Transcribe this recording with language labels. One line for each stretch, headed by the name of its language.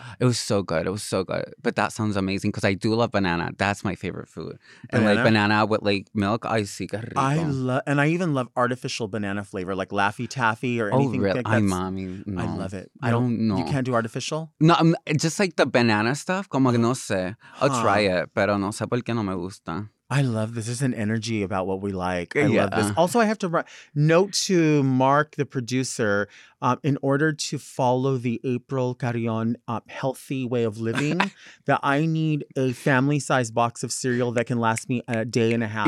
English: It was so good. It was so good. But that sounds amazing because I do love banana. That's my favorite food. Banana? And like banana with like milk, I see.
Spanish: Que rico.
English: I love, and I even love artificial banana flavor, like Laffy Taffy or anything. Oh, really? Like that's, mommy, no. I love it. I don't know. You can't do artificial? No, just like the banana stuff.
Spanish: Como que no sé.
English: I'll try it,
Spanish: pero no sé por qué no me gusta.
English: I love this. There's an energy about what we like. I love this. Also, I have to note to Mark, the producer, in order to follow the April Carrión healthy way of living, that I need a family-sized box of cereal that can last me a day and a half.